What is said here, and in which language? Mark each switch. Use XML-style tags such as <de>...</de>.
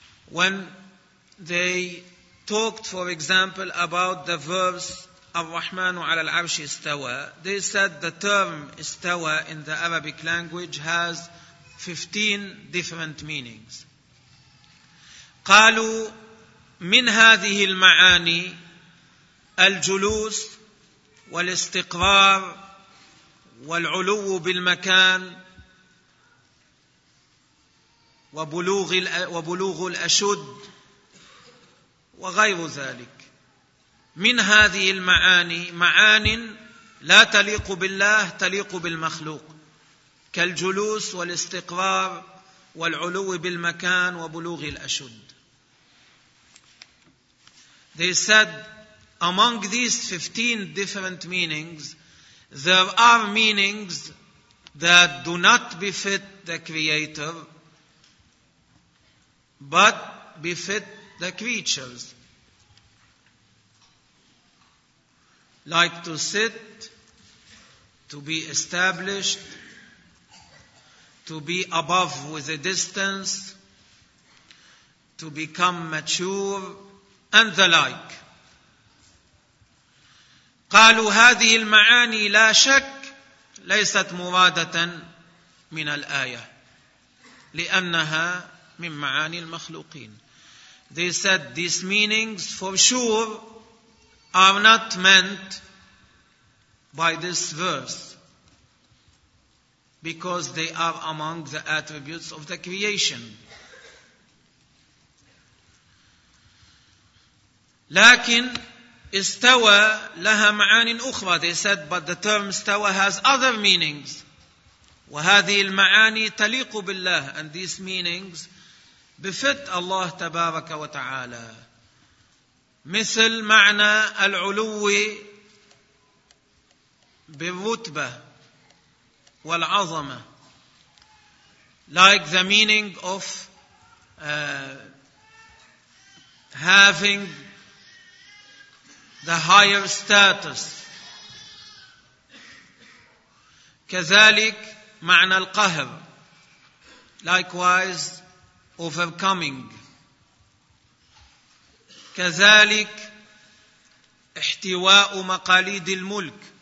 <en>When they talked for example about the verse</en> <ar>الرحمن على العرش استوى,</ar> <en>they said the term استوى in the Arabic language has 15 different meanings.</en> <ar>قالوا من هذه المعاني الجلوس والاستقرار والعلو بالمكان وبلوغ الأشد وغير ذلك. من هذه المعاني معان لا تليق بالله تليق بالمخلوق كالجلوس والاستقرار والعلو بالمكان وبلوغ الأشد.</ar> <en>They said among these 15 different meanings there are meanings that do not befit the creator but befit the creatures. Like to sit, to be established, to be above with a distance, to become mature, and the like.</en> <ar>قالوا هذه المعاني لا شك ليست مرادة من الآية لأنها من معاني المخلوقين.</ar> <en>They said these meanings for sure are not meant by this verse because they are among the attributes of the creation.</en> <ar>لكن استوى لها معان أخرى.</ar> <en>They said but the term استوى has other meanings.</en> <ar>وهذه المعاني تليق بالله</ar> <en>and these meanings befit Allah</en> <ar>تبارك وتعالى. مثل معنى العلو بالرتبة والعظمة.</ar> <en>Like the meaning of having the higher status.</en> <ar>كذلك معنى القهر.</ar> <en>Likewise overcoming.</en> <ar>كذلك احتواء مقاليد الملك.</ar>